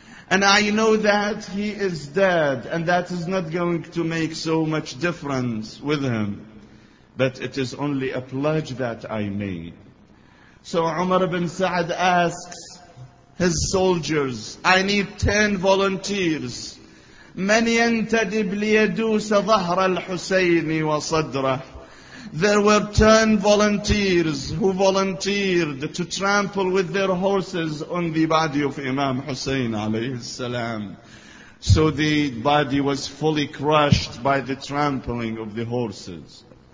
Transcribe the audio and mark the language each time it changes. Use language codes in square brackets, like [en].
[en] And I know that he is dead and that is not going to make so much difference with him. But it is only a pledge that I made. So Umar ibn Sa'd asks his soldiers, I need 10 volunteers. [ar] من ينتدب ليدوس ظهر الحسين وصدره. [en] There were 10 volunteers who volunteered to trample with their horses on the body of Imam Hussein alayhi salam. So the body was fully crushed by the trampling of the horses.